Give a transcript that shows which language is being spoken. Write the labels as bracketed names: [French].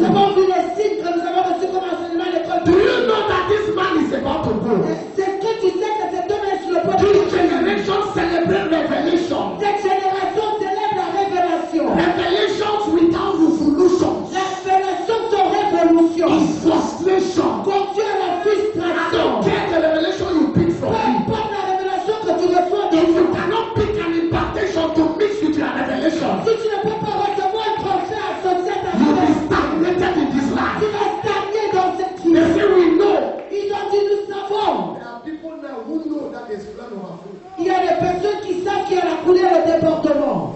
[French] Nous avons vu les signes que nous avons reçus comme enseignement à l'école. [English] Do you know that this man is about to go? [French] C'est que tu sais que cet homme est sur le point de mourir. [English] This generation celebrate revelation. [French] Cette génération célèbre la révélation. [English] Revelations without revolution. [French] La révélation sans révolution. [English] Is frustration. [French] Conduit à la frustration. [English] I don't care the revelation you pick from me. If you cannot pick an impartation to mix with your revelation, [French] si tu ne peux pas recevoir un prophète associé à ta [English] vie, you'll be stagnated in this life. [French] Tu vas stagner dans cette vie. [English] They say we know. [French] Ils ont dit nous savons. [English] There are people now who know that there's blood on our food. [French] Il y a des personnes qui savent qu'il y a la couleur au département.